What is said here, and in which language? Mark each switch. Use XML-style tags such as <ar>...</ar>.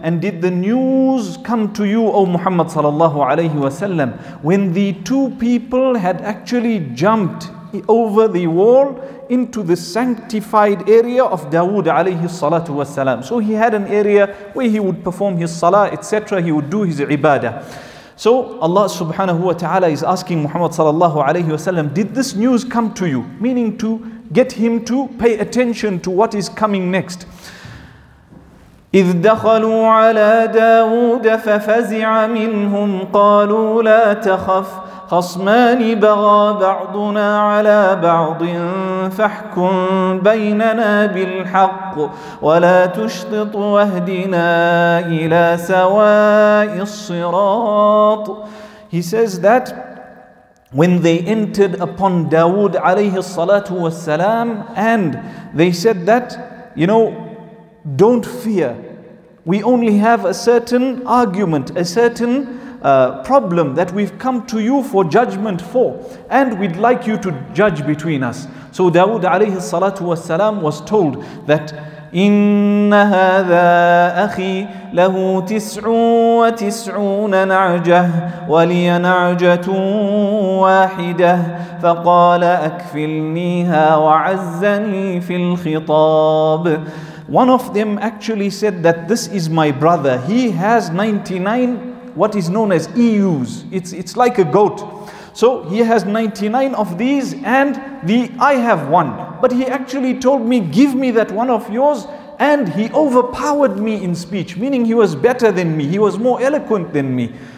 <en>And did the news come to you, O Muhammad sallallahu alayhi wa sallam, when the two people had actually jumped over the wall into the sanctified area of Dawood alayhi salatu wa salam? So he had an area where he would perform his salah, etc. He would do his ibadah. So Allah subhanahu wa ta'ala is asking Muhammad sallallahu alayhi wa sallam, did this news come to you? Meaning to get him to pay attention to what is coming next.</en> <ar>إِذْ دَخَلُوا عَلَى دَاوُودَ فَفَزِعَ مِنْهُمْ قَالُوا لَا تَخَفْ خصمان بغى بعضنا على بعض فاحكم بيننا بالحق ولا تشطط واهدنا إلى سواء الصراط.</ar> <en>He says that when they entered upon Dawood alayhi salatu wasalam and they said that, you know, don't fear, we only have a certain argument, a certain problem that we've come to you for judgment for, and we'd like you to judge between us. So Dawood alayhi salatu was salam was told that</en> <ar>إِنَّ هَذَا أَخِي لَهُ تِسْعٌ وَتِسْعُونَ نَعْجَةٌ وَلِيَ نَعْجَةٌ وَاحِدَةٌ فَقَالَ أَكْفِلْنِيهَا وَعَزَّنِي فِي الْخِطَابِ.</ar> <en>One of them actually said that this is my brother. He has 99 what is known as EUs. It's like a goat. So he has 99 of these and I have one. But he actually told me, give me that one of yours. And he overpowered me in speech, meaning he was better than me. He was more eloquent than me.</en>